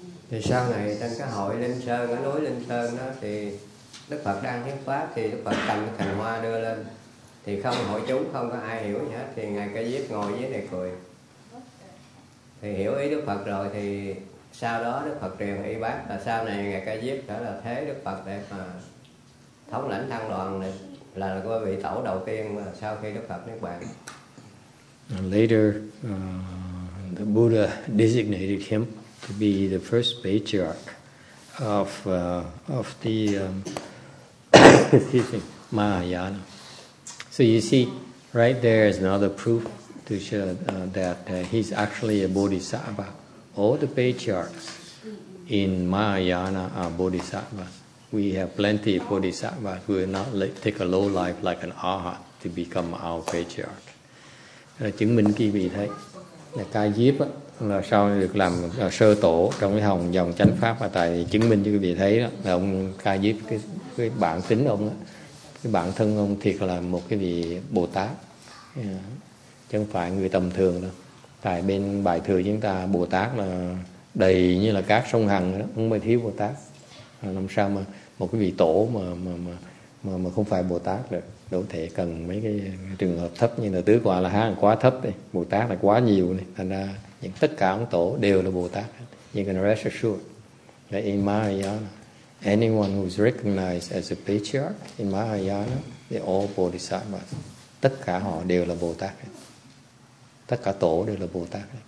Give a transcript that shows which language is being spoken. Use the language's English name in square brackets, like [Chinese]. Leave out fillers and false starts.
[Vietnamese] Thì sau này trong cái hội Linh Sơn, cái núi Linh Sơn đó, thì Đức Phật đang thuyết pháp, thì Đức Phật cầm cành hoa đưa lên, thì không hội chúng không có ai hiểu gì hết, thì Ngài Ca Diếp ngồi dưới này cười. Thì hiểu ý Đức Phật rồi, thì sau đó Đức Phật truyền y bát, và sau này Ngài Ca Diếp trở là thế Đức Phật để mà thống lãnh tăng đoàn này, là ngôi vị tổ đầu tiên mà sau khi Đức Phật niết bàn. [English] Later, the Buddha designated him to be the first patriarch of the Mahayana. So you see, right there is another proof to show that he's actually a bodhisattva. All the patriarchs in Mahayana are bodhisattvas. We have plenty of bodhisattvas who will not take a low life like an arhat to become our patriarch. [Vietnamese] Chứng minh quý vị thấy là Ca Diếp á, là sau được làm sơ tổ trong cái hồng dòng chánh pháp, và tại chứng minh cho quý vị thấy đó, là ông Ca Diếp cái bản tính ông á, cái bản thân ông thiệt là một cái vị Bồ Tát, chứ không phải người tầm thường đâu. Tại bên bài thừa chúng ta Bồ Tát là đầy như là cát sông Hằng đó, không phải thiếu Bồ Tát. Làm sao mà một cái vị tổ mà không phải Bồ Tát được, đâu thể cần mấy cái trường hợp thấp như là tứ quả là hàng quá thấp đi, Bồ Tát là quá nhiều này, thành ra những tất cả ông tổ đều là Bồ Tát. [English] You can rest assured that in Mahayana, anyone who is recognized as a patriarch in Mahayana, they all bodhisattvas. [Vietnamese] Tất cả họ đều là Bồ Tát. Tất cả tổ đều là Bồ Tát.